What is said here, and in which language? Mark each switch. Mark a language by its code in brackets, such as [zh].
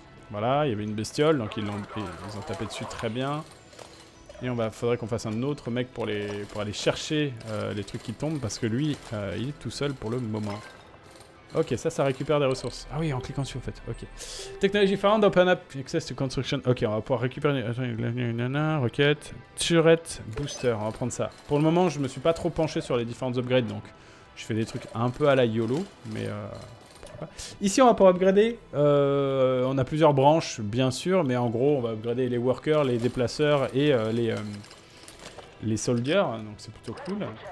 [fr] Voilà, il y avait une bestiole. Donc ils ont tapé dessus, très bien. Et on va, faudrait qu'on fasse un autre mec pour aller chercher les trucs qui tombent, parce que lui, il est tout seul pour le moment. Ok, ça récupère des ressources. Ah oui, en cliquant dessus, en fait. Ok. [en] Technology found, open up, access to construction. [fr] Ok, on va pouvoir récupérer... Roquette, turret, booster, on va prendre ça. Pour le moment, je me suis pas trop penché sur les différents upgrades, donc je fais des trucs un peu à la YOLO, mais... Ici on va pouvoir upgrader, on a plusieurs branches bien sûr, mais en gros on va upgrader les workers, les déplaceurs et les soldiers, donc c'est plutôt cool.